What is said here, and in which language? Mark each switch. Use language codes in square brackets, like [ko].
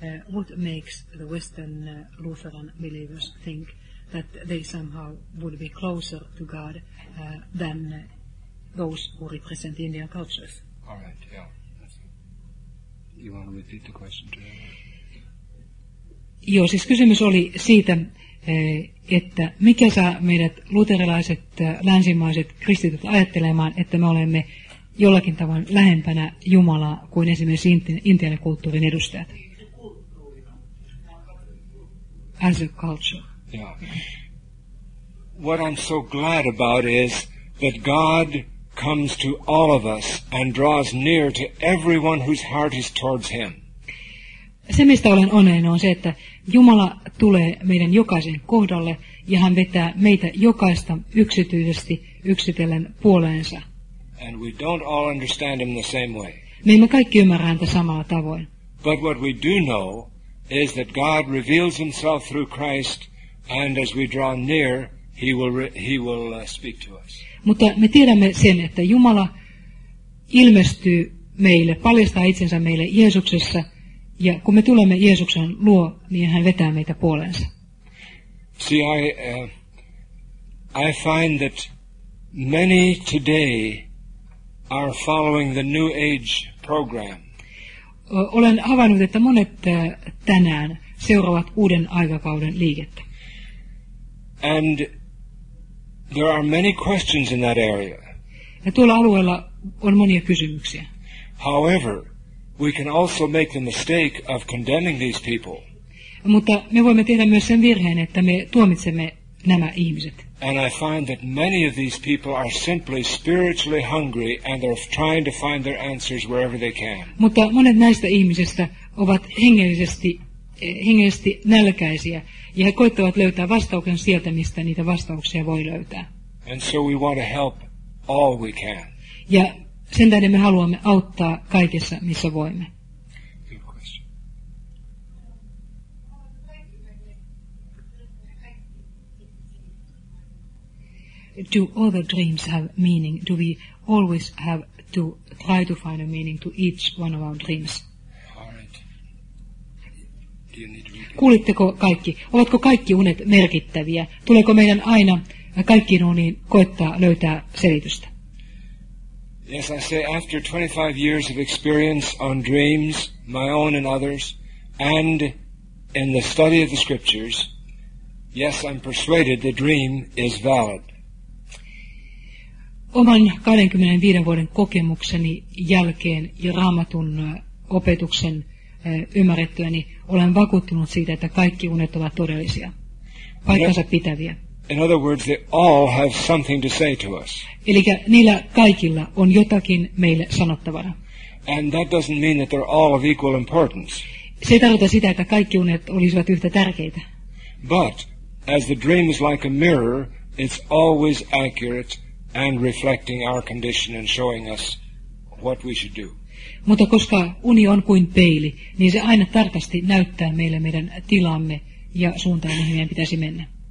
[en] What makes the Western Lutheran believers think that they somehow would be closer to God than those who represent Indian cultures? All right, you want to repeat the question to him? [fi] Joo, siis kysymys oli siitä, että mikä saa meidät luterilaiset, länsimaiset, kristityt ajattelemaan, että me olemme jollakin tavoin lähempänä Jumalaa kuin esimerkiksi intian kulttuurin edustajat. [en] As a culture. Yeah. What I'm so glad about is that God comes to all of us and draws near to everyone whose heart is towards him. [fi] Se, mistä olen onnellinen, on se, että Jumala tulee meidän jokaisen kohdalle ja hän vetää meitä jokaista yksityisesti yksitellen puoleensa. [en] And we don't all understand him the same way. [fi] Me emme kaikki ymmärrä häntä samalla tavoin. [en] But what we do know is that God reveals himself through Christ, and as we draw near, he will speak to us. [fi] Mutta me tiedämme sen, että Jumala ilmestyy meille, paljastaa itsensä meille Jeesuksessa, ja kun me tulemme Jeesuksen luo, niin hän vetää meitä puoleensa. [en] See, I find that many today are following the New Age program. [fi] Olen havainnut, että monet tänään seuraavat uuden aikakauden liikettä. [en] And there are many questions in that area. [fi] Ja tuolla alueella on monia kysymyksiä. [en] However, we can also make the mistake of condemning these people. [fi] Mutta me voimme tehdä myös sen virheen, että me tuomitsemme nämä ihmiset. [en] And I find that many of these people are simply spiritually hungry and they're trying to find their answers wherever they can. [fi] Mutta monet näistä ihmisistä ovat hengellisesti nälkäisiä ja he koettavat löytää vastauksen sieltä, mistä niitä vastauksia voi löytää. [en] And so we want to help all we can. [fi] Ja sen tähden me haluamme auttaa kaikessa, missä voimme. [en] Do all the dreams have meaning? Do we always have to try to find a meaning to each one of our dreams? [fi] Kuulitteko kaikki? Ovatko kaikki unet merkittäviä? Tuleeko meidän aina kaikkiin uniin koettaa löytää selitystä? [en] Yes, I say after 25 years of experience on dreams, my own and others, and in the study of the scriptures, yes, I'm persuaded the dream is valid. [fi] Oman 25 vuoden kokemukseni jälkeen ja Raamatun opetuksen ymmärrettyäni olen vakuuttunut siitä, että kaikki unet ovat todellisia, paikkansa pitäviä. [en] In other words, they all have something to say to us. [fi] Elikkä niillä kaikilla on jotakin meille sanottavana. [en] And that doesn't mean that they're all of equal importance. [fi] Se ei tarkoita sitä, että kaikki unet olisivat yhtä tärkeitä. [en] But as the dream is like a mirror, it's always accurate and reflecting our condition and showing us what we should do. [fi] Mutta koska uni on kuin peili, niin se aina tarkasti näyttää meille meidän tilamme ja suuntaan, mihin meidän pitäisi mennä.